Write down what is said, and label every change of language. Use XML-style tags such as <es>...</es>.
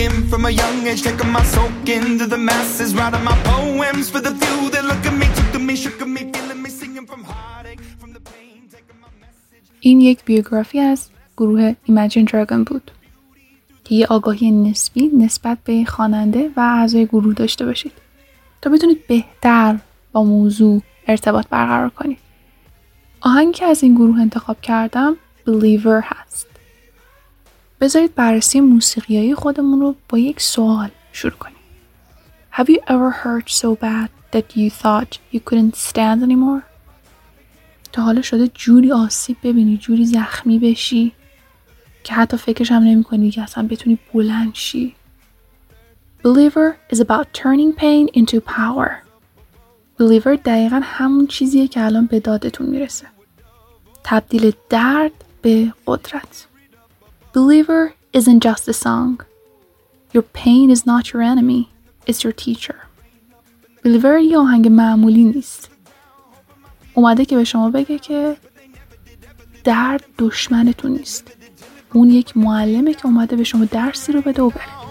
<en>From a young age, taking my soak into the masses, writing my poems for the few that look at me, took to me, shook at me, feeling me, singing from heartache, from the pain, taking my message.</en> <fa>این یک بیوگرافی از گروه Imagine Dragon بود که یه آگاهی نسبی نسبت به خواننده و اعضای گروه داشته باشید تا بتونید بهتر با موضوع ارتباط برقرار کنید. آهنگی که از این گروه انتخاب کردم Believer هست. بذارید بررسی موسیقیایی خودمون رو با یک سوال شروع کنیم.</fa> <en>Have you ever hurt so bad that you thought you couldn't stand anymore?</en> <fa>تا حالا شده جوری آسیب ببینی، جوری زخمی بشی که حتی فکرش هم نمی کنی که اصلا بتونی بلند شی؟</fa> <en>Believer is about turning pain into power.</en> <fa>Believer دقیقا همون چیزیه که الان به دادتون میرسه. تبدیل درد به قدرت.</fa> <en>Believer isn't just a song. Your pain is not your enemy, it's your teacher.</en> <fa>Believer یه آهنگ معمولی نیست. اومده که به شما بگه که درد دشمنتون نیست. اون یک معلمه که اومده به شما درسی رو بده و بره.</fa>